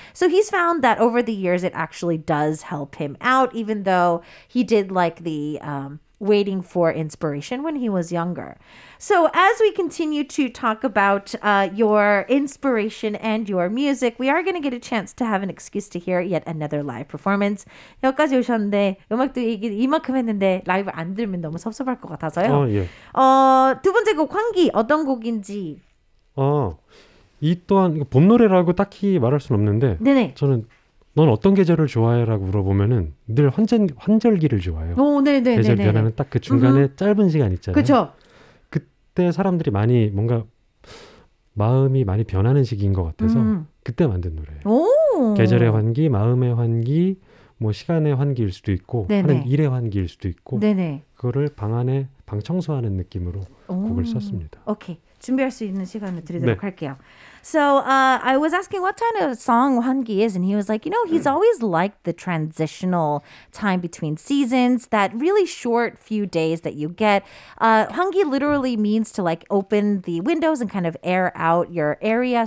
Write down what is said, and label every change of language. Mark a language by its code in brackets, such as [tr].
[en] So he's found that over the years, it actually does help him out, even though he did like the waiting for inspiration when he was younger. So as we continue to talk about your inspiration and your music, we are going to get a chance to have an excuse to hear yet another live performance. [ko] 여기까지 오셨는데 음악도 얘기 이만큼 했는데 라이브 안 들으면 너무 섭섭할 것 같아서요. 두 번째 곡 환기 어떤 곡인지. 이 또한 봄 노래라고 딱히 말할 수는 없는데 네네. 저는 넌 어떤 계절을 좋아해라고 물어보면은 늘 환절기를 좋아해요. 계절 변화는 딱 그 중간에 음흠. 짧은 시간 있잖아요. 그렇죠. 그때 사람들이 많이 뭔가 마음이 많이 변하는 시기인 것 같아서 그때 만든 노래예요. 계절의 환기, 마음의 환기, 뭐 시간의 환기일 수도 있고 네네. 하는 일의 환기일 수도 있고 네네. 그거를 방 안에 방 청소하는 느낌으로 곡을 썼습니다. 오케이. 준비할 수 있는 시간을 드리도록 네. 할게요. [en] So I was asking what kind of song 환기 is, and he was like, you know, he's always liked the transitional time between seasons, that really short few days that you get. 환기 literally means to like open the windows and kind of air out your area.